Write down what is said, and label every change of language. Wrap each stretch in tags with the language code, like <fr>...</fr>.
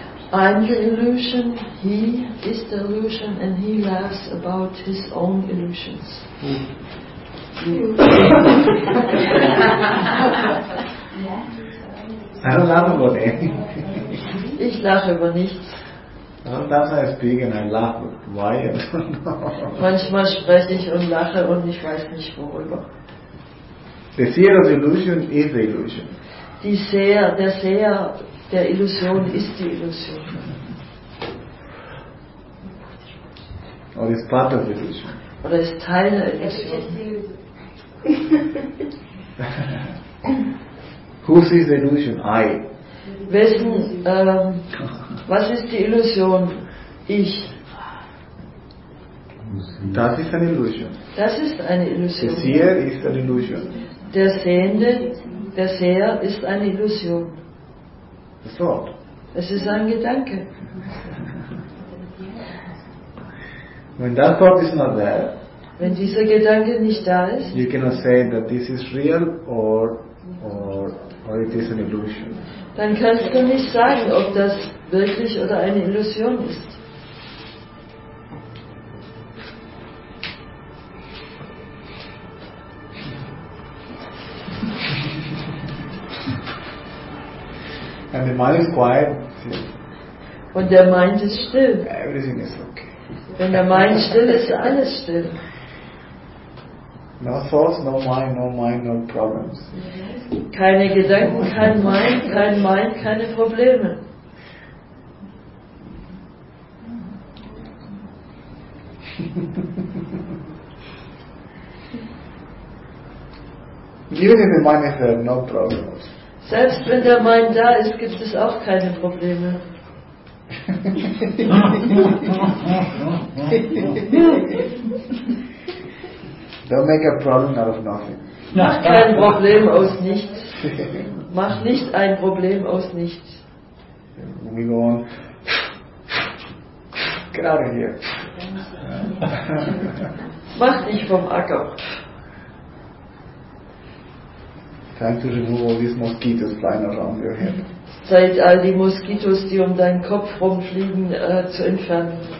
<en>I'm the illusion, he is the illusion, and he laughs about his own illusions. I don't laugh about anything.</en> <de>Ich lache über nichts.</de> <en>Sometimes I speak and I laugh, but why? I don't know.</en> <de>Manchmal spreche ich und lache und ich weiß nicht worüber.</de> <en>The fear of illusion is the illusion.</en> <de>die Seher, der Seher der Illusion ist die Illusion.</de> <en>Or is part of the illusion.</en> <de>Oder ist Teil der Illusion.</de> <en>Who sees the illusion? I.</en> <de>Wessen, was ist die Illusion? Ich. Das ist eine Illusion. Das ist eine Illusion.</de> <en>The seer is an illusion.</en> <de>Der Sehende, der Seher ist eine Illusion.</de> <en>The thought.</en> <de>Es ist ein Gedanke.</de> <en>When that thought is not there,</en> <de>wenn dieser Gedanke nicht da ist,</de> <en>you cannot say that this is real or it is an illusion.</en> <de>Dann kannst du nicht sagen, ob das wirklich oder eine Illusion ist.</de> <en>And the mind is quiet.</en> <de>Und der Mind ist still.</de> <en>Everything is okay.</en> <de>Wenn der Mind still ist, alles still.</de> <en>No thoughts, no mind, no mind, no problems.</en> <de>Keine Gedanken, kein Mind, kein Mind, keine Probleme.</de> <en>Even if the mind is there, no problems.</en> <de>Selbst wenn der Mind da ist, gibt es auch keine Probleme.</de> <en>Don't make a problem out of nothing.</en> <de>Mach kein Problem aus nichts. Mach nicht ein Problem aus nichts.</de> <en>When we go on. Get out of here.</en> <de>Mach dich vom Acker.</de> <en>Time to remove all these mosquitoes flying around your head.</en> <de>Zeit, all die Moskitos, die um deinen Kopf rumfliegen, zu entfernen.</de>